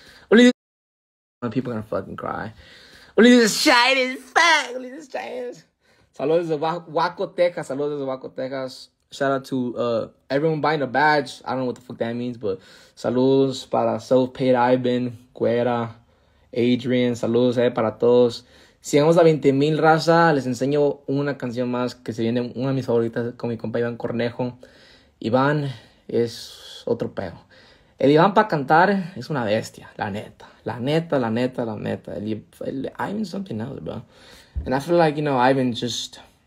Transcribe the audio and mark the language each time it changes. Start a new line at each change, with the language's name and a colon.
English: Ulises, people gonna fucking cry. Ulises Chayes, fuck, Ulises Chayes.
Spanish: Saludos desde Waco, Texas. Saludos desde Waco, Texas.
English: Shout out to everyone buying a badge. I don't know what the fuck that means, but
Spanish: saludos para
English: self-paid Ivan, Cuera, Adrian.
Spanish: Saludos para todos. Si vamos a 20,000 raza, les enseño una canción más que se viene una de mis favoritas con mi compa Iván Cornejo. Iván es otro pedo. El Iván para cantar es una bestia, la neta. La neta.
English: El Ivan's something else, bro. And I feel like, you know, Ivan just...